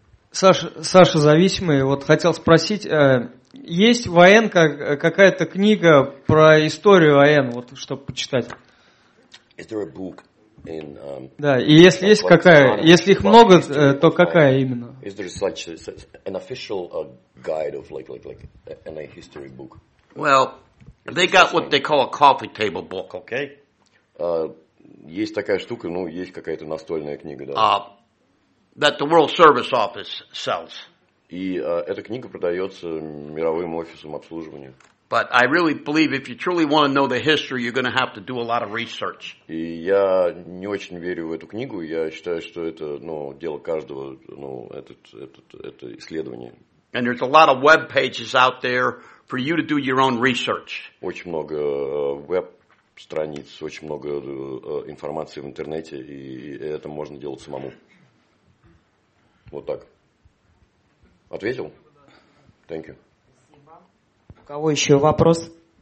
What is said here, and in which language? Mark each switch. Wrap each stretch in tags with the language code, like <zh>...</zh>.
<ru>Саша зависимый, вот хотел спросить, есть в АН какая-то книга про историю АН, вот чтобы почитать?</ru> <en>Is there a book in,</en> <ru>да, и если есть</ru> <en>like</en> <ru>какая,</ru> <en>kind of,</en> <ru>если их много, то какая именно?</ru> <en>Is there such an official guide of like a history book? Well, they got what they call a coffee table book, okay?</en> <ru>Есть такая штука, ну, есть какая-то настольная книга, да.</ru> <en>That the World Service Office sells.</en> <ru>И эта книга продается мировым офисом обслуживания.</ru> <en>But I really believe if you truly want to know the history, you're going to have to do a lot of research.</en> <ru>И я не очень верю в эту книгу. Я считаю, что это, ну, дело каждого, ну, это исследование.</ru> <en>And there's a lot of web pages out there for you to do your own research.</en> <ru>Очень много веб-страниц, очень много информации в интернете, и это можно делать самому. Вот так. Ответил?</ru> <en>Thank you.</en> <ru>У кого еще вопрос?</ru>